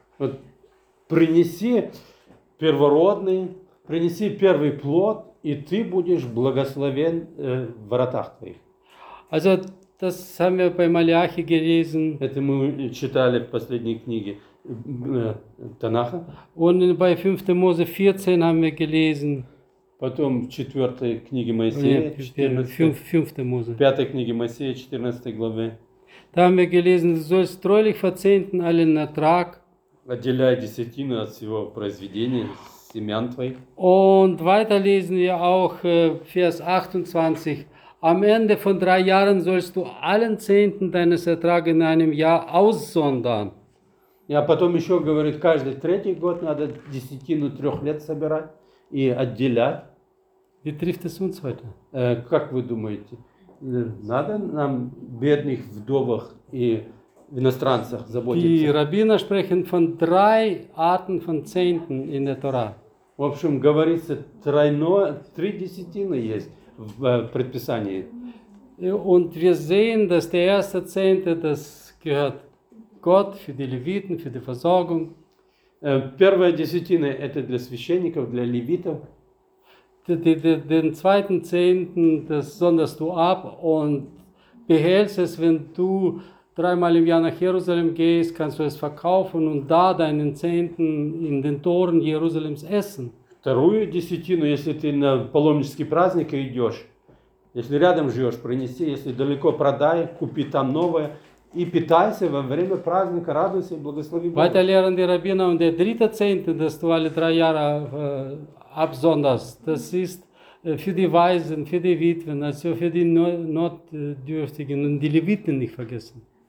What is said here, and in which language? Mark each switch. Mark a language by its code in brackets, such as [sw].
[ru] Вот, принеси первородный, принеси первый плод, и ты будешь благословен в воротах твоих. [de] Also, das haben wir bei Malachi gelesen. [ru] Это мы читали в последней книге. [de] Danach. Und bei 5. Mose 14 haben wir gelesen. [ru] Потом в 4. Книге Моисея, 5. Книге Моисея, 14. Главе. [de] Da haben wir gelesen, du sollst treulich verzehnten allen Ertrag. [ru] Отделяй десятину от всего произведения, семян твоих. [de] Und weiter lesen wir auch Vers 28. Am Ende von 3 Jahren sollst du allen Zehnten deines Ertrags in einem Jahr aussondern. [ru] А потом еще говорит, каждый третий год надо десятину трех лет собирать и отделять. И три втесунцвета. Как вы думаете, надо нам бедных вдовах и иностранцах заботиться? [de] Die Rabbiner sprechen von drei Arten von Zehnten in der Tora. [ru] В общем, говорится, три десятины есть в предписании. [de] Und wir sehen, dass der erste Zehnte, das gehört Gott für die Leviten, für die Versorgung. [ru] Первая десятина – это для священников, для левитов. [de] Den zweiten Zehnten, das sonderst du ab und behältst es, wenn du dreimal im Jahr nach Jerusalem gehst, kannst du es verkaufen und da deinen Zehnten in den Toren Jerusalems essen. [ru] Вторую десятину, если ты на паломнические праздники идешь, если рядом живешь, принеси, если далеко продай, купи там новое. И питайся во время праздника, радуйся и благослови Бога. [de] Weiter lehren die Rabbiner und der dritte Zehnte, das du alle drei Jahre absonders, das ist für die Waisen, für die Witwen, also für die Notdürftigen und die Leviten nicht vergessen.